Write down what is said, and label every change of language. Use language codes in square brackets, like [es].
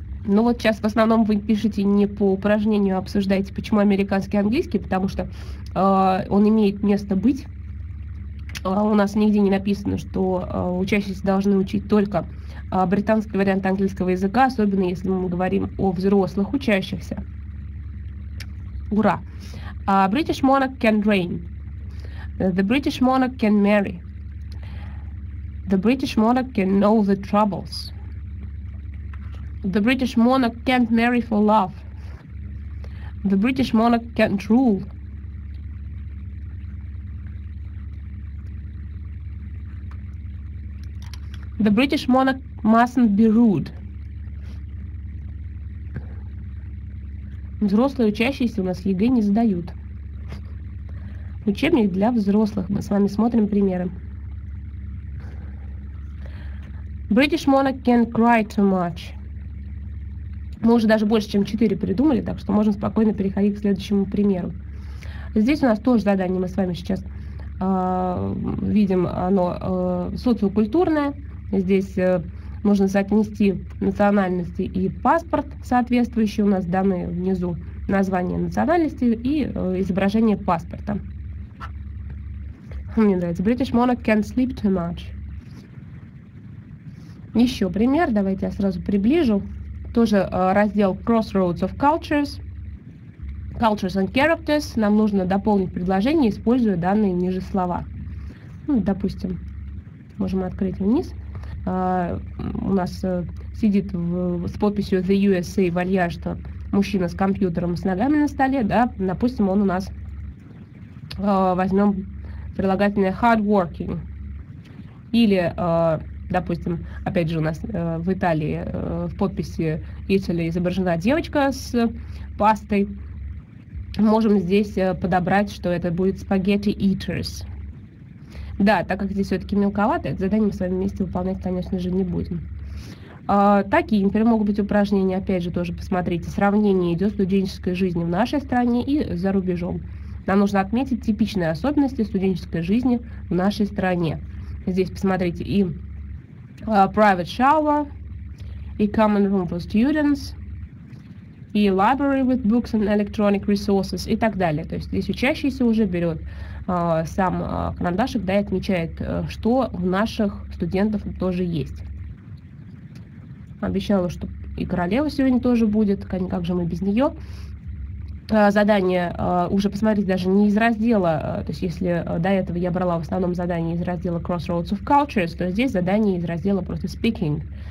[ru] Ну вот сейчас в основном вы пишете не по упражнению, а обсуждаете, почему американский английский, потому что он имеет место быть. У нас нигде не написано, что учащиеся должны учить только британский вариант английского языка, особенно если мы говорим о взрослых учащихся. Ура! [en] British monarch can reign. The British monarch can marry. The British monarch can know the troubles. The British monarch can't marry for love. The British monarch can't rule. The British monarch mustn't be rude. [ru] Взрослые учащиеся у нас ЕГЭ не сдают. Учебник для взрослых. Мы с вами смотрим примеры. [en] British monarch can cry too much. [ru] Мы уже даже больше, чем 4 придумали, так что можем спокойно переходить к следующему примеру. Здесь у нас тоже задание, мы с вами сейчас видим, оно социокультурное. Здесь нужно соотнести национальности и паспорт соответствующий. У нас данные внизу название национальности и изображение паспорта. Мне нравится. [en] British monarch can't sleep too much. [ru] Еще пример, давайте я сразу приближу. Тоже раздел Crossroads of Cultures, Cultures and Characters. Нам нужно дополнить предложение, используя данные ниже слова. Ну, допустим, можем открыть вниз. У нас сидит с подписью The USA вальяжно мужчина с компьютером с ногами на столе. Да? Допустим, он у нас, возьмем прилагательное hardworking. Или... Допустим, опять же, у нас в Италии в подписи Italy изображена девочка с пастой. Можем здесь подобрать, что это будет [en] spaghetti eaters. [ru] Да, так как здесь все-таки мелковато, это задание мы с вами вместе выполнять, конечно же, не будем. Такие, например, могут быть упражнения. Опять же, тоже посмотрите, сравнение идет студенческой жизни в нашей стране и за рубежом. Нам нужно отметить типичные особенности студенческой жизни в нашей стране. Здесь посмотрите и... [en] private shower и common room for students и library with books and electronic resources [ru] и так далее. То есть здесь учащийся уже берет сам карандашик, да, и отмечает, что у наших студентов тоже есть. Обещала, что и королева сегодня тоже будет, как же мы без нее. Задание уже посмотреть даже не из раздела, то есть если до этого я брала в основном задание из раздела Crossroads of Cultures, то здесь задание из раздела просто Speaking.